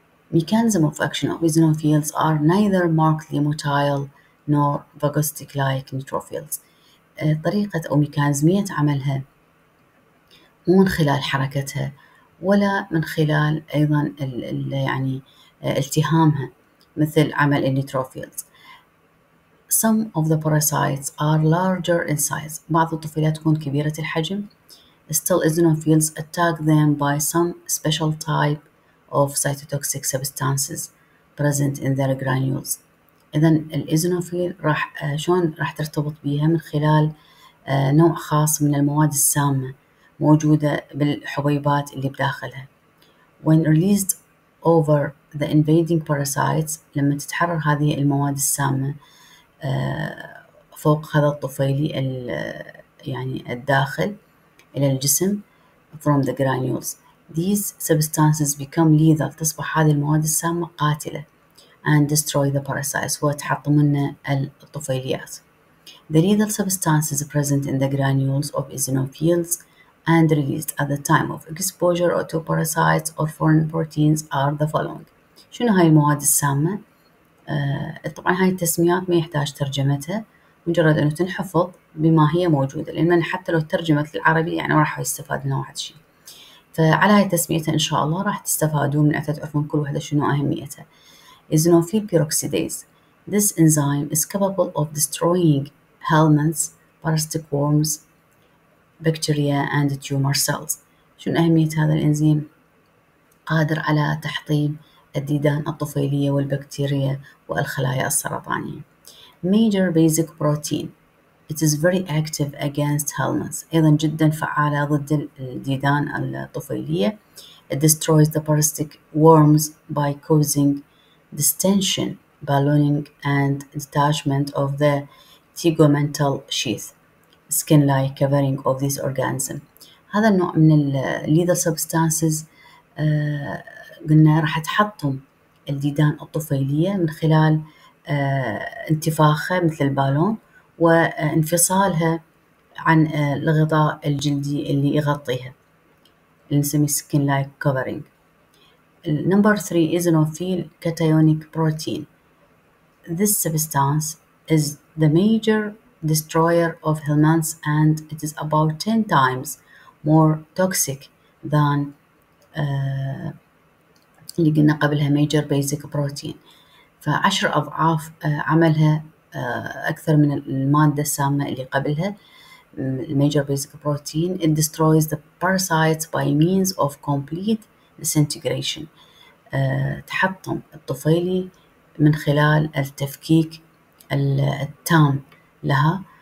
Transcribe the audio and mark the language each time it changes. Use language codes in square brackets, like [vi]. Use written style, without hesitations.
[en] Mechanism of action of eosinophils are neither markedly motile nor vagostic like neutrophils. [ar] طريقة أو ميكانزمية عملها مو من خلال حركتها ولا من خلال أيضا الـ يعني التهامها مثل عمل النيتروفيلز. [en] Some of the parasites are larger in size. [ar] بعض الطفيليات تكون كبيرة الحجم. [en] Still eosinophils attack them by some special type of cytotoxic substances present in their granules. [ar] إذا الإيوزينوفيل راح شلون راح ترتبط بها من خلال نوع خاص من المواد السامة موجودة بالحبيبات اللي بداخلها. [en] When released over the invading parasites [ar] لما تتحرر هذه المواد السامة فوق هذا الطفيلي يعني الداخل إلى الجسم [en] from the granules these substances become lethal [ar] تصبح هذه المواد السامة قاتلة [en] and destroy the parasites [ar] وتحطم لنا الطفيليات. [en] The lethal substances present in the granules of eosinophils and released at the time of exposure or to parasites or foreign proteins are the following. [ar] شنو هاي المواد السامة؟ طبعا هاي التسميات ما يحتاج ترجمتها مجرد انه تنحفظ بما هي موجودة لان حتى لو ترجمت للعربي يعني راح يستفاد منها واحد شيء. فعلى هاي تسميتها ان شاء الله راح تستفادون من تعرفون كل واحدة شنو اهميتها. [en] Eosinophil peroxidase. This enzyme is capable of destroying helminths, parasitic worms, bacteria, and tumor cells. [ar] شو أهمية هذا الإنزيم؟ قادر على تحطيم الديدان الطفيلية والبكتيريا والخلايا السرطانية. [en] Major basic protein. It is very active against helminths. [ar] أيضا جدا فعالة ضد الديدان الطفيلية. [en] It destroys the parasitic worms by causing distension, ballooning, and detachment of the tegmental sheath, skin-like covering of this organism. [ar] هذا النوع من [en] lethal substances [ar] قلنا راح تحطم الديدان الطفيلية من خلال انتفاخه مثل البالون وانفصالها عن الغطاء الجلدي اللي يغطيها اللي نسميه [en] skin like covering. Number 3 is eosinophil cationic protein. This substance is the major destroyer of helminths and it is about 10 times more toxic than [ar] اللي قلنا قبلها [en] major basic protein. [ar] فعشر أضعاف عملها أكثر من المادة السامة اللي قبلها. [en] Major basic protein, it destroys the parasites by means of complete disintegration. [ar] تحطم الطفيلي من خلال التفكيك التام لها.